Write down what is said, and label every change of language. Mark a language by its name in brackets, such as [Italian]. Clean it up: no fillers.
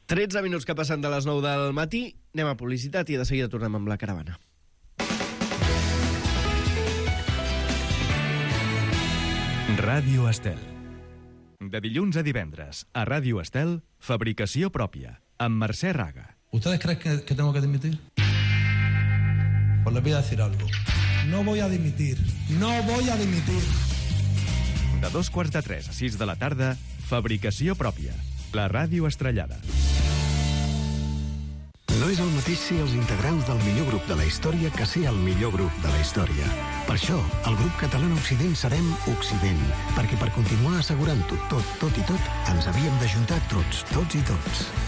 [Catalan] 13 minuts que passen de les 9 del matí. Anem a publicitat i de seguida tornem amb la caravana. Ràdio Estel. De dilluns a divendres, a Ràdio Estel, fabricació pròpia, amb Mercè Raga. [Spanish] ¿Ustedes creen que tengo que dimitir? Pues les voy a decir algo. No voy a dimitir. No voy a dimitir. [Catalan] De 2:45 a 6 de la tarda, fabricació pròpia, la ràdio estrellada. No és el mateix ser els integrants del millor grup de la història que ser el millor grup de la història. Per això, el grup català Occident serem Occident, perquè per continuar assegurant-ho tot, tot i tot, ens havíem d'ajuntar tots, tots i tots.